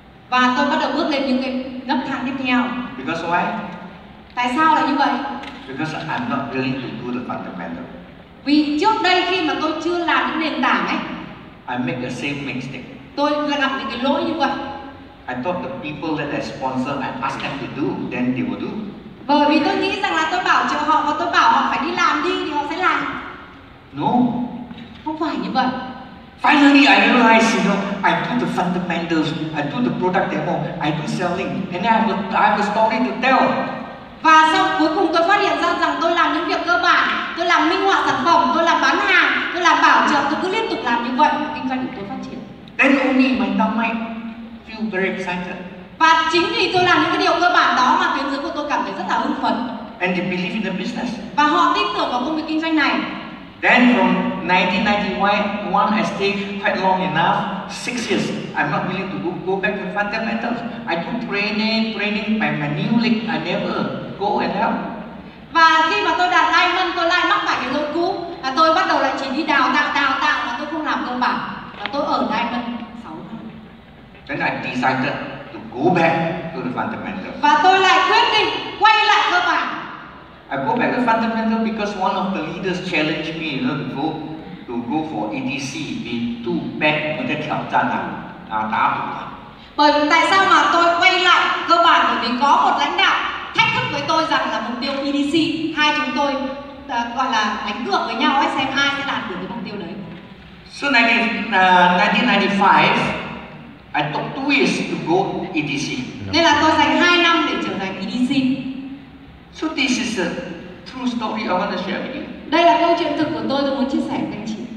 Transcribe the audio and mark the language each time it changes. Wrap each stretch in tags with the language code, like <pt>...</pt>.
<vi>Và tôi bắt đầu bước lên những cái nấc thang tiếp theo.</vi> <en>Because why?</en> <vi>Tại sao lại như vậy?</vi> <en>Because I'm not willing to do the fundamental.</en> <vi>Vì trước đây khi mà tôi chưa làm những nền tảng ấy,</vi> <en>I make the same mistake.</en> <vi>Tôi gặp những cái lỗi như vậy.</vi> <en>I thought the people that I sponsor, I ask them to do, then they will do.</en> <vi>Bởi vì tôi nghĩ rằng là tôi bảo cho họ và tôi bảo họ phải đi làm đi thì họ sẽ làm.</vi> <en>No.</en> <vi>Không phải như vậy.</vi> <en>Finally, I realized, you know, I do the fundamentals, I do the product demo, I do selling, and then I have a story to tell.</en> <vi>Và sau cuối cùng tôi phát hiện ra rằng tôi làm những việc cơ bản, tôi làm minh họa sản phẩm, tôi làm bán hàng, tôi làm bảo trợ, tôi cứ liên tục làm như vậy, kinh doanh của tôi phát triển.</vi> <en>Then only my dumb mind feel very excited.</en> <vi>Và chính vì tôi làm những cái điều cơ bản đó mà tuyến dưới của tôi cảm thấy rất là hưng phấn.</vi> <en>And they believe in the business.</en> <vi>Và họ tin tưởng vào công việc kinh doanh này.</vi> <en>Then from 1991, I stayed quite long enough, 6 years. I'm not willing to go back to fundamentals. I do training by my new leg. I never go and help.</en> <vi>Và khi mà tôi đạt diamond, tôi lại mắc phải cái lỗi cũ và tôi bắt đầu lại chỉ đi đào tạo và tôi không làm cơ bản và tôi ở diamond 6 tháng.</vi> <en>Then I decided to go back to the fundamentals.</en> <vi>Và tôi lại quyết định quay lại cơ bản.</vi> <en>I go back to fundamental because one of the leaders challenged me, you know, to go for ETC, be too bad with the challenge.</en> <vi>Tại sao mà tôi quay lại cơ bản? Bởi vì có một lãnh đạo thách thức với tôi rằng là mục tiêu EDC, hai chúng tôi gọi là đánh cược với nhau xem ai sẽ đạt được cái mục tiêu đấy.</vi> <en>So 1995, I took 2 years to go EDC.</en> <vi>Nên là tôi dành 2 năm để trở thành EDC.</vi> <en>So this is a true story I want to share with you.</en> <vi>Đây là câu chuyện thực của tôi, tôi muốn chia sẻ với anh chị.</vi>